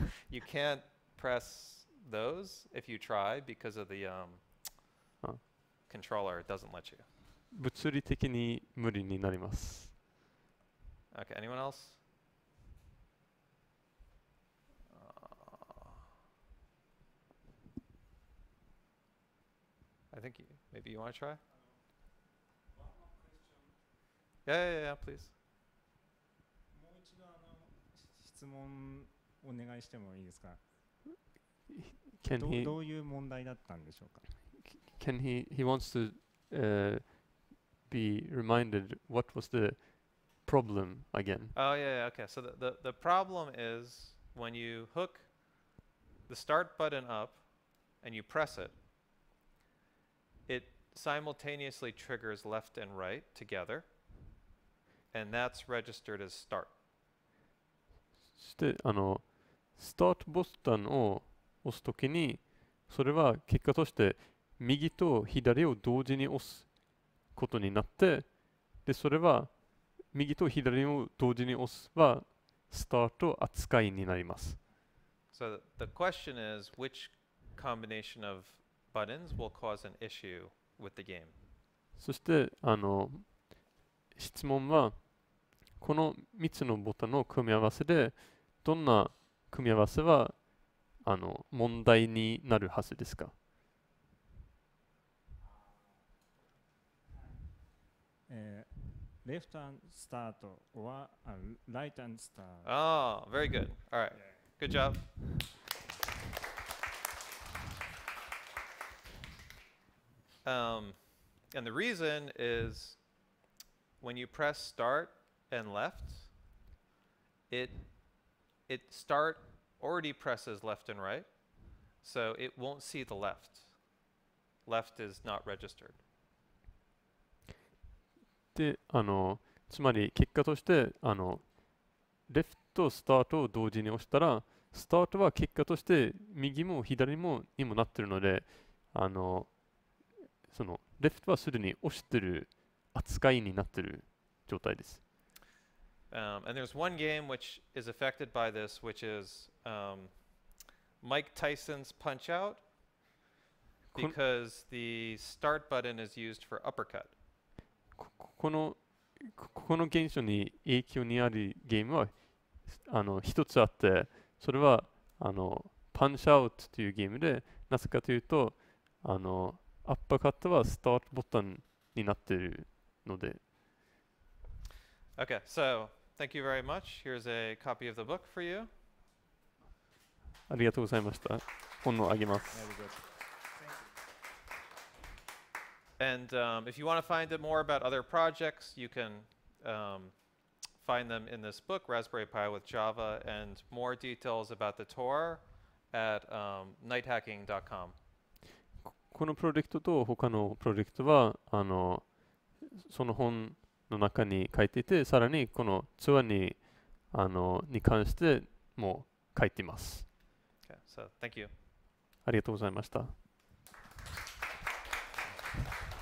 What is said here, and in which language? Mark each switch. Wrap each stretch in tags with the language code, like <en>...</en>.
<en>You can't press those if you try because of the controller doesn't let you.</en> <ja>物理的に無理になります。</ja> <en>Okay, anyone else? I think maybe you want to try? Yeah, please.</en> <ja>もう一度あの質問お願いしてもいいですか？</ja> <en>Can he</en> <ja>どういう問題だったんでしょうか？</ja> <en>Can he wants to be reminded what was the problem again? Oh, yeah, okay. So the problem is when you hook the start button up and you press it,It simultaneously triggers left and right together, and that's registered as start.</en> <ja>そしてあの、スタートボタンを押すときに、それは結果として右と左を同時に押すことになって、でそれは右と左を同時に押すはスタート扱いになります。</ja> <en>So the question is which combination of buttons will cause an issue with the game.</en> <ja>そしてあの質問はこの3つのボタンの組み合わせでどんな組み合わせはあの問題になるはずですか？</ja> <en>Left and start or right and start. Oh, very good. All right. Good job. And the reason is when you press start and left, it start already presses left and right, so it won't see the left. Left is not registered.</en> <ja>で、あの、つまり結果として、あの、レフトとスタートを同時に押したら、スタートは結果として右も左もにもなってるので、あの、そのレフトはすでに押してる扱いになってる状態です。</ja> <en>And there's one game which is affected by this, which is Mike Tyson's Punch Out, because the start button is used for uppercut.</en> <ja>この現象に影響にあるゲームは、あの、一つあって、それは、あの、パンチアウトというゲームで、なぜかというと、あの、アッパーカットはスタートボタンになっているので。</ja> <en>Okay, so, thank you very much. Here's a copy of the book for you.</en> <ja>ありがとうございました。本をあげます。</ja> <en>And if you want to find out more about other projects, you can find them in this book, Raspberry Pi with Java, and more details about the tour at nighthacking.com.</en> <ja>このプロジェクトと他のプロジェクトは、あの、その本の中に書いていて、さらにこのツアーに、あの、に関しても書いています。</ja> <en>Okay, so thank you.</en> <ja>ありがとうございました。</ja>